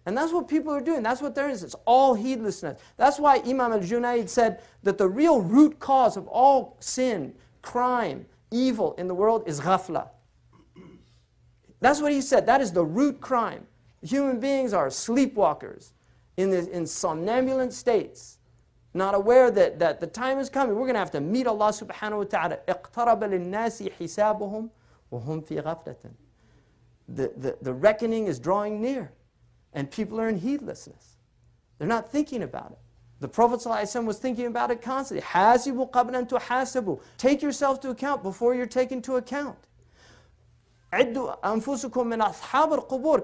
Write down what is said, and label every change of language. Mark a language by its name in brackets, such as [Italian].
[English] And that's what people are doing. That's what there is. It's all heedlessness. That's why Imam al-Junaid said that the real root cause of all sin, crime, evil in the world is ghafla. That's what he said. That is the root crime. Human beings are sleepwalkers in somnambulant states. Not aware that the time is coming. We're going to have to meet Allah subhanahu wa ta'ala. [Arabic] اقترب للناس حسابهم وهم في غفلة. [English] The reckoning is drawing near. And people are in heedlessness. They're not thinking about it. The Prophet ﷺ was thinking about it constantly. [Arabic] حَاسِبُوا قَبْلَ أَن تُحَاسِبُوا. [English] Take yourself to account before you're taken to account. [Arabic] عِدُّوا أَنفُسُكُم مِّنْ أَصْحَابِ الْقُبُورِ.